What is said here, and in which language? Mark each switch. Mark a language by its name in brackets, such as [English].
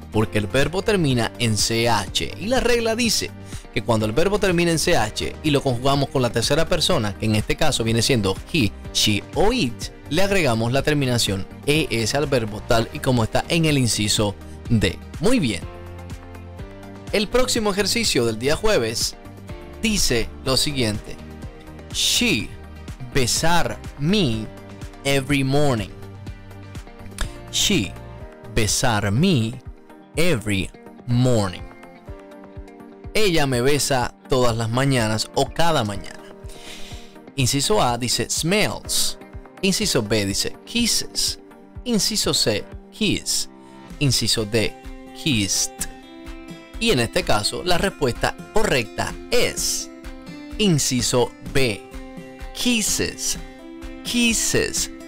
[Spanish] Porque el verbo termina en CH. Y la regla dice que cuando el verbo termina en CH y lo conjugamos con la tercera persona, que en este caso viene siendo he, she o it, le agregamos la terminación ES al verbo tal y como está en el inciso D. Muy bien. El próximo ejercicio del día jueves dice lo siguiente. [English] She besar me every morning. She besar me every morning. [Spanish] Ella me besa todas las mañanas o cada mañana. Inciso A dice smells. Inciso B dice kisses. Inciso C, kiss. Inciso D, kissed. Y en este caso, la respuesta correcta es inciso B, kisses. Kisses